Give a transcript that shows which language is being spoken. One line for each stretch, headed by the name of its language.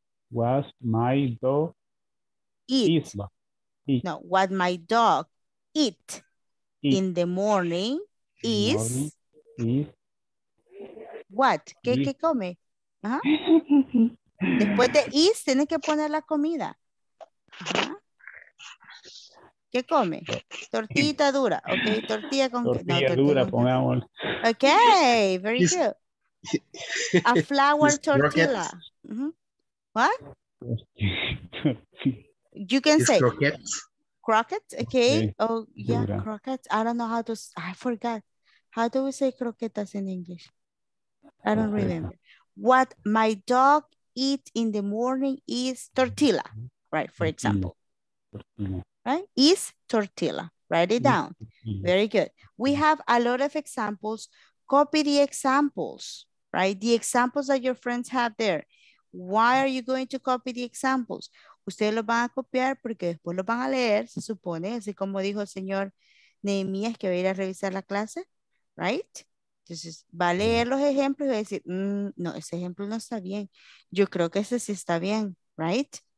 English: What's my dog eat? No, what my dog eat in the morning is?
Spanish: What? ¿Qué come? Ajá. Después de is, tienes que poner la comida. Ajá. ¿Qué come? Tortita dura. Ok, tortilla con... Tortilla dura, pongamos.
English: Ok, very good. A flour tortilla. Mm-hmm. What? You can say... Croquettes. Okay. Oh, yeah, dura. Croquettes. I don't know how to... I forgot. How do we say croquetas in English? I don't remember. What my dog eats in the morning is tortilla. Right, for example. Right? Is tortilla. Write it down. Very good. We have a lot of examples. Copy the examples, right? The examples that your friends have there. Why are you going to copy the examples?
Spanish: Ustedes los van a copiar porque después los van a leer, se supone, así como dijo el señor Nehemías que va a ir a revisar la clase, right? Entonces, va a leer los ejemplos y va a decir, no, ese ejemplo no está bien. Yo creo que ese sí está bien, right?